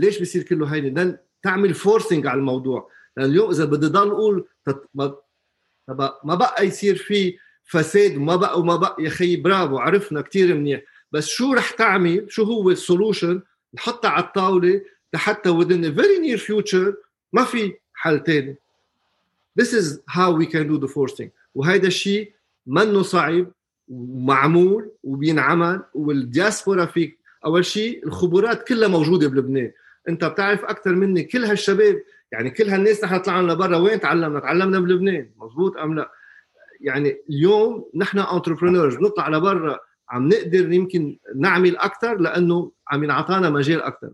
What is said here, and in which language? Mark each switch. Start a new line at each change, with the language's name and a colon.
Arabic: ليش بيصير كله هين؟ لأن تعمل فورسينج على الموضوع، لأن اليوم إذا بدي ضل أقول ما بقى يصير في فساد وما بقى وما بقى يا خي برافو عرفنا كتير منيح بس شو رح تعمل شو هو السولوشن نحطها على الطاولة لحتى
English: within a very near future
Arabic: ما في حل تاني.
English: This is how we can do the forcing.
Arabic: وهذا الشيء منه صعب ومعمول وبينعمل والدياسبورا فيك. أول شيء الخبرات كلها موجودة بلبنان. أنت بتعرف أكثر مني كل هالشباب يعني كل هالناس نحن طلعنا لبرا وين تعلمنا؟ تعلمنا بلبنان مظبوط أم لا؟ يعني اليوم نحن entrepreneurs نطلع لبرا عم نقدر يمكن نعمل أكثر لأنه عم ينعطانا مجال أكثر.